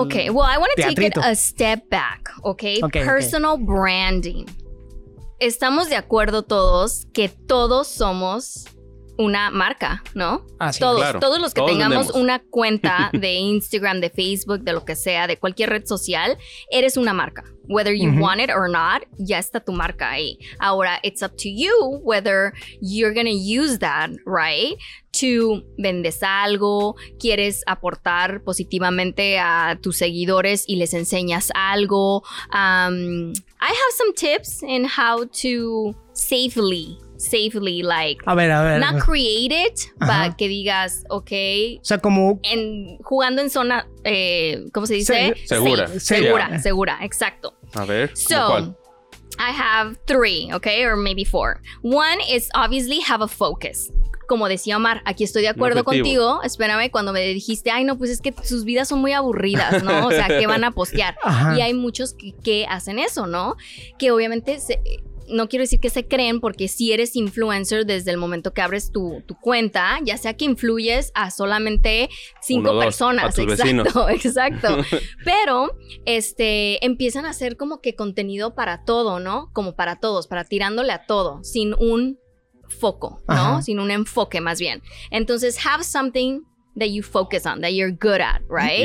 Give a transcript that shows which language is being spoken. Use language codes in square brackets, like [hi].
[en] Okay, well, I want to take it a step back, okay? Personal branding. [es] Estamos de acuerdo todos que todos somos una marca, ¿no? Todos los que tengamos una cuenta de Instagram, de Facebook, de lo que sea, de cualquier red social, eres una marca. [en] Whether you want it or not, ya está tu marca ahí. Ahora, it's up to you whether you're gonna use that, right? [es] To vendes algo, quieres aportar positivamente a tus seguidores y les enseñas algo. [en] I have some tips in how to safely, like, [es] a ver. [en] Not create it, but que digas, okay. [es] O sea, como en, jugando en zona, ¿cómo se dice? Segura, exacto. A ver, [en] so, I have three, okay, or maybe four. One is obviously have a focus. [es] Como decía Omar, aquí estoy de acuerdo contigo. Espérame, cuando me dijiste, ay, no, pues es que sus vidas son muy aburridas, ¿no? O sea, ¿qué van a postear? Y hay muchos que hacen eso, ¿no? Que obviamente no quiero decir que se creen, porque si eres influencer desde el momento que abres tu cuenta, ya sea que influyes a solamente 5 personas. Exacto. Pero empiezan a hacer como que contenido para todo, ¿no? Como para todos, para tirándole a todo, sin un foco, ¿no? Ajá. Sin un enfoque, más bien. [en] Entonces, have something that you focus on, that you're good at, right?